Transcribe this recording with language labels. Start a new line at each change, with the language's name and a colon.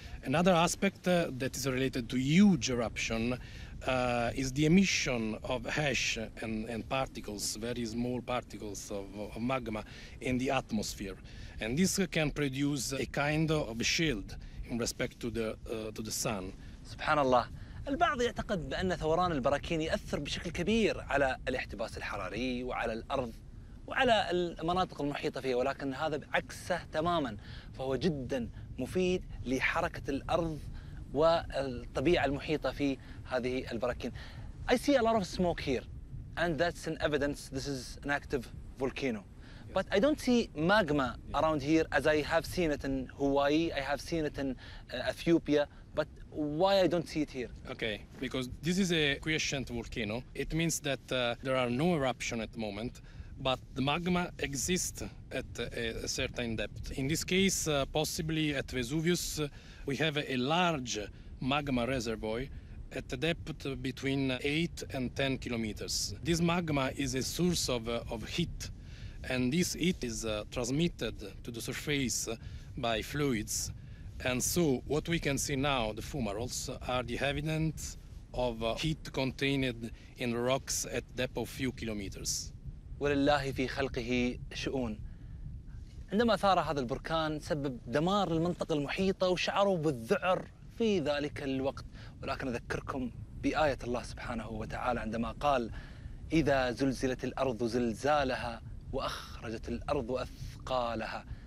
English: Another aspect that is related to huge eruption is the emission of ash and particles, very small particles of magma in the atmosphere, and this can produce a kind of a shield in respect to the sun.
Arabic: Subhanallah. البعض يعتقد بأن ثوران البراكين يؤثر بشكل كبير على الاحتباس الحراري وعلى الأرض وعلى المناطق المحيطة فيها، ولكن هذا عكسه تماماً، فهو جداً مفيد لحركة الأرض والطبيعة المحيطة في هذه البراكين.
English: I see a lot of smoke here and that's an evidence this is an active volcano. But I don't see magma around here as I have seen it in Hawaii, I have seen it in Ethiopia, but why I don't see it here? Okay, because this is a quiescent volcano. It means that there are no eruption at the moment, but the magma exists at a certain depth. In this case, possibly at Vesuvius, we have a large magma reservoir at a depth between 8 and 10 kilometers. This magma is a source of heat, and this heat is transmitted to the surface by fluids. And so what we can see now, the fumaroles, are the evidence of heat contained in rocks at depth of few kilometers.
Arabic: ولله في خلقه شؤون. عندما ثار هذا البركان سبب دمار للمنطقة المحيطة وشعروا بالذعر في ذلك الوقت. ولكن أذكركم بآية الله سبحانه وتعالى عندما قال إذا زلزلت الأرض زلزالها وأخرجت الأرض أثقالها.